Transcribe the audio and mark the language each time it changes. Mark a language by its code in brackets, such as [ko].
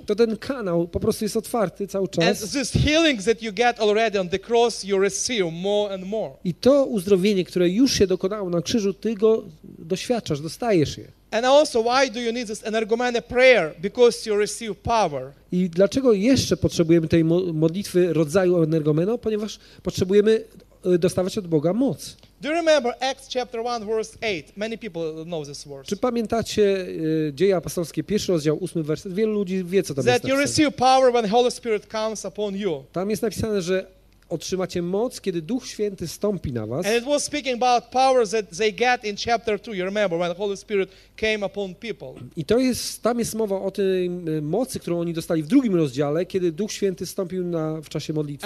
[pl] To ten kanał po prostu jest otwarty cały czas. [en] And this healing that you get already on the cross, you receive more and more. [pl] I to uzdrowienie, które już się dokonało na krzyżu, ty go doświadczasz, dostajesz je. [en] And also, why do you need this energomene prayer? Because you receive power. [pl] I dlaczego jeszcze potrzebujemy tej modlitwy rodzaju energomeno? Ponieważ potrzebujemy dostawać od Boga moc. [en] Do you remember Acts chapter 1 verse 8? Many people know this verse. [pl] Czy pamiętacie Dzieje Apostolskie, pierwszy rozdział, 8 werset? Wielu ludzi wie, co tam jest. [en] That you receive power when Holy Spirit comes upon you. [pl] Tam jest napisane, że otrzymacie moc, kiedy Duch Święty stąpi na was. [en] And it was speaking about power that they get in chapter 2. You remember when the Holy Spirit came upon people. [pl] I to jest, tam jest mowa o tej mocy, którą oni dostali w drugim rozdziale, kiedy Duch Święty stąpił w czasie modlitwy.